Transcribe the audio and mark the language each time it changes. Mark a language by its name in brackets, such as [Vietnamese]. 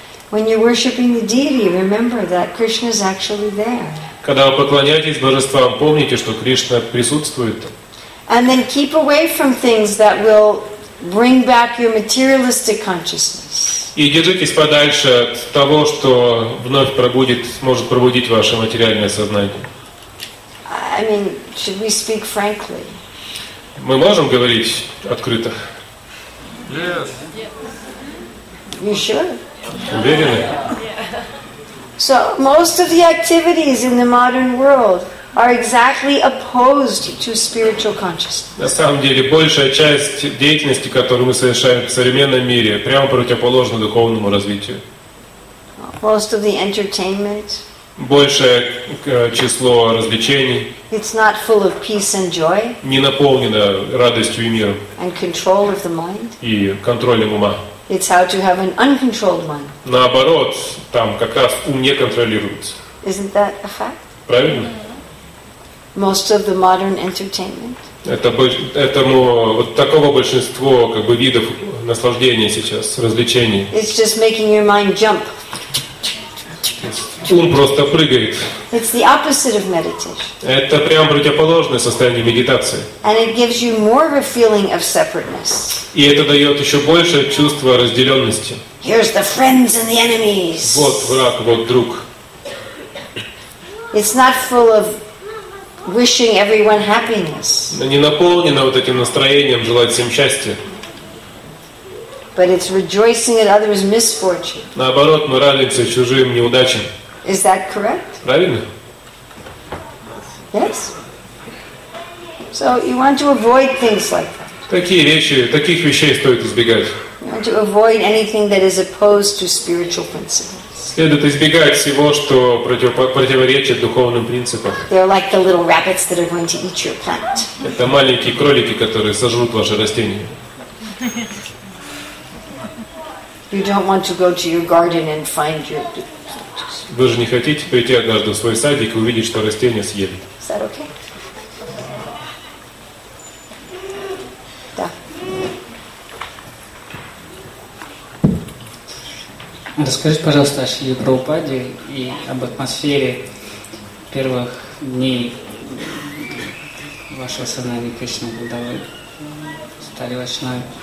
[English] When you're worshiping the deity, remember that Krishna is actually there. [Russian] Когда вы поклоняетесь божествам, помните, что Кришна присутствует там. [English] And then keep away from things that will bring back your materialistic consciousness. [Russian] И держитесь подальше от того, что вновь пробудит, может пробудить ваше материальное сознание. [English] I mean, should we speak frankly? [Russian] Мы можем говорить открыто? [English] Yes. You sure? [Russian] Уверены? [English] Yeah. So most of the activities in the modern world are exactly opposed to spiritual consciousness. [Russian] На самом деле, большая часть деятельности, которую мы совершаем в современном мире, прямо противоположна духовному развитию. [English] Most of the entertainment. [Russian] Большее число развлечений. [English] It's not full of peace and joy. [Russian] Не наполнено радостью и миром. [English] And control of the mind. [Russian] И контролем ума. [English] It's how to have an uncontrolled mind. [Russian] Наоборот, там как раз ум не контролируется. [English] Isn't that a fact? [Russian] Правильно? [English] Most of the modern entertainment. [Russian] Этому вот такого большинство как бы видов наслаждения сейчас развлечений. [English] It's just making your mind jump. [Russian] Ум просто прыгает. [English] It's the opposite of meditation. [Russian] Это прямо противоположное состояние медитации. [English] And it gives you more of a feeling of separateness. [Russian] И это дает еще большее чувство разделенности. [English] Here's the friends and the enemies. [Russian] Вот враг, вот друг. [English] It's not full of wishing everyone happiness. [Russian] Не наполнено вот этим настроением желать всем счастья. [English] But it's rejoicing at others' misfortune. [Russian] Наоборот, мы радуемся чужим неудачам. [English] Is that correct? [Russian] Правильно? [English] Yes. So you want to avoid things like that. [Russian] Такие вещи, таких вещей стоит избегать. [English] You want to avoid anything that is opposed to spiritual principles. [Russian] Следует избегать всего, что противоречит духовным принципам. [English] They're like the little rabbits that are going to eat your plant. [Russian] Это маленькие кролики, которые сожрут ваши растения. [English] You don't want to go to your garden and find your. [Russian] Вы же не хотите прийти однажды в свой садик и увидеть, что растения съели. [English] Is that okay? [Russian] Расскажи, пожалуйста, о Шриле Прабхупаде и об атмосфере первых дней вашего сознания Кришны, когда вы стали вайшнавой.